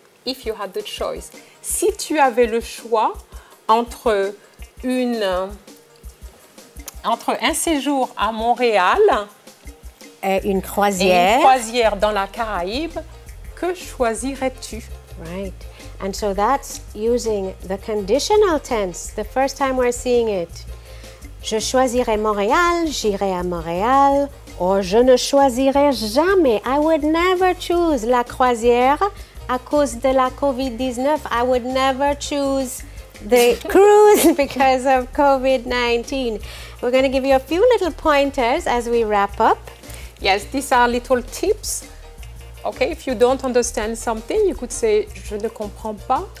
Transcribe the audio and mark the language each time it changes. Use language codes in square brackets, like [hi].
[en] If you had the choice, [fr] si tu avais le choix entre un séjour à Montréal et une croisière dans la Caraïbe, que choisirais-tu? [en] Right, and so that's using the conditional tense, the first time we're seeing it. [fr] Je choisirais Montréal, j'irai à Montréal, or je ne choisirais jamais. [en] I would never choose [fr] la croisière. À cause de la COVID-19, [en] I would never choose the cruise because of COVID-19. We're going to give you a few little pointers as we wrap up. Yes, these are little tips. Okay, if you don't understand something, you could say, [fr] je ne comprends pas.